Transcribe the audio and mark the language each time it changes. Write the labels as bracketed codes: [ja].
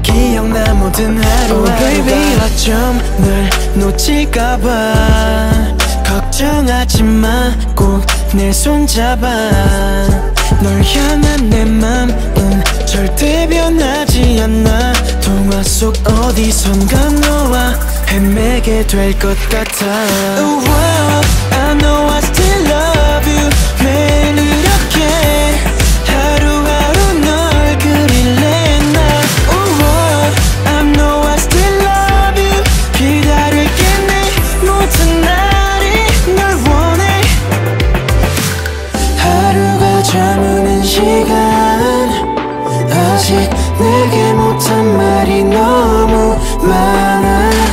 [ko] 기억나 모든 하루. [en] Oh baby [ko] 어쩜 널 놓칠까봐 걱정하지마 꼭 내 손잡아. 널 향한 내 맘은 절대 변하지 않아. 동화 속 어디선가 너와 헤매게 될 것 같아. [en] Oh, wow, I know I still love you. [ko] 매일 이렇게 하루하루 널 그릴래 나. [en] Oh, oh, I know I still love you. [ko] 기다릴게 내 모든 날이 널 원해. 하루가 저무는 시간 아직 내게 못한 말이 너무 많아.